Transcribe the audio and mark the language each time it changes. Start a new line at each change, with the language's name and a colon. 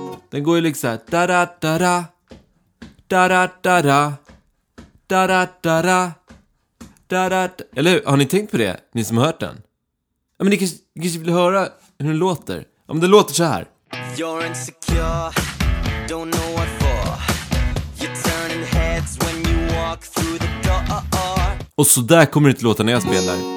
Swedish: Den går ju liksom såhär. Da-da-da-da. Da-da-da-da. Da-da-da-da. Eller hur? Har ni tänkt på det? Ni som har hört den? Ja, men ni kanske vill höra hur den låter. Om ja, den låter så här.
English: You're insecure, don't know what for. You're turning heads when you walk through the door.
Swedish: Och så där kommer det inte låta när jag spelar.